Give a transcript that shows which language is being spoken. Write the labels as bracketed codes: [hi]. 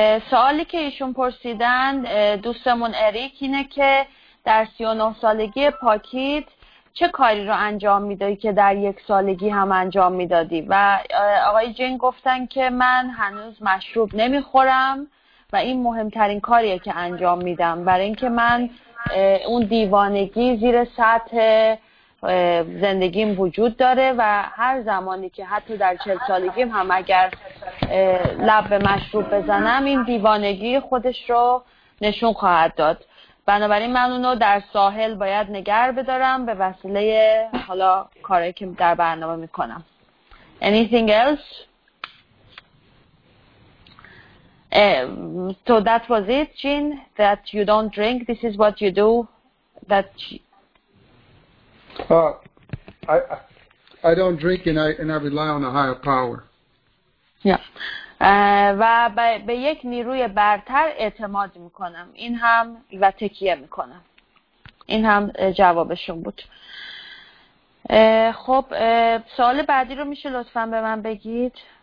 [fa] سوالی که ایشون پرسیدن دوستمون اریک اینه که در 39 سالگی پاکیت چه کاری رو انجام میدادی که در یک سالگی هم انجام میدادی؟ و آقای جین گفتن که من هنوز مشروب نمیخورم و این مهمترین کاریه که انجام میدم، برای اینکه من اون دیوانگی زیر سطح زندگیم وجود داره و هر زمانی که حتی در 40 سالگیم هم اگر لب به مشروب بزنم این دیوانگی خودش رو نشون خواهد داد، بنابراین من اونو در ساحل باید نگر بدارم به وسیله حالا کاری که در برنامه میکنم. [en] Anything else? So that was it, Jean, that you don't drink, this is what you do, that I don't drink and I rely on a higher power. Yeah. [fa] و به یک نیروی برتر اعتماد میکنم. این هم و تکیه میکنم. این هم جوابشون بود. خب سوال بعدی رو میشه لطفا به من بگید؟